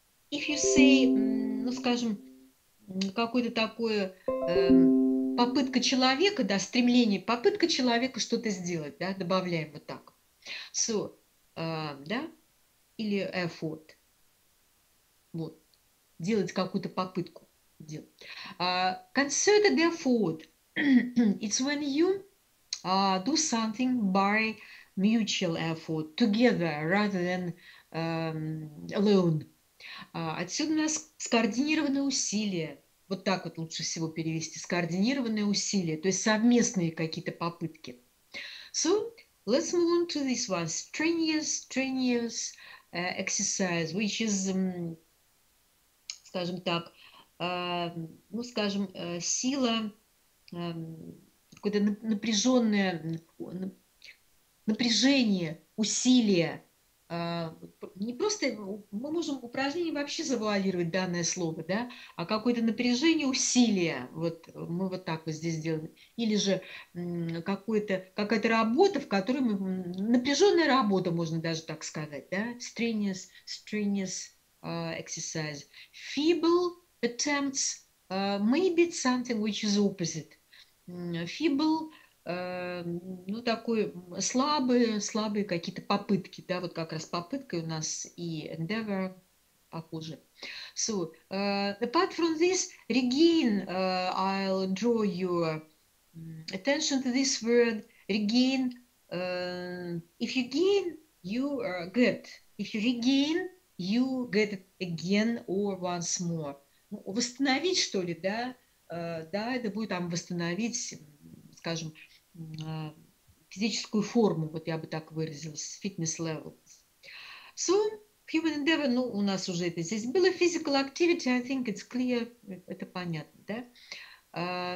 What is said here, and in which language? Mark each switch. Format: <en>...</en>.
<en>If you say,</en> <ru>ну, скажем, какое-то такое попытка человека, да, стремление, попытка человека что-то сделать, да, добавляем вот так. So, да, или effort. Вот. Делать какую-то попытку.</ru> <en>Concerted effort. It's when you do something by mutual effort, together, rather than alone.</en> <ru>Отсюда у нас скоординированные усилия. Вот так вот лучше всего перевести. Скоординированные усилия, то есть совместные какие-то попытки.</ru> <en>So, let's move on to this one. Strenuous exercise, which is...</en> <ru>скажем так, ну, скажем, сила, какое-то напряженное напряжение, усилие. Не просто, мы можем упражнение вообще завуалировать данное слово, да, а какое-то напряжение, усилие. Вот мы вот так вот здесь делаем. Или же какая-то работа, в которой мы... Напряженная работа, можно даже так сказать, да, strenuous.</ru> <en>Exercise. Feeble attempts maybe it's something which is opposite.</en> <ru>Feeble, ну, такой слабые какие-то попытки, да, вот как раз попытка у нас и endeavor похоже.</ru> <en>So, apart from this, regain, I'll draw your attention to this word, regain. If you gain, you are good. If you regain, you get it again or once more.</en> <ru>Ну, восстановить, что ли, да? Да, это будет там восстановить, скажем, физическую форму, вот я бы так выразилась, fitness level.</ru> <en>So, human endeavor,</en> <ru>ну, у нас уже это здесь было,</ru> <en>physical activity, I think it's clear,</en> <ru>это понятно, да?</ru>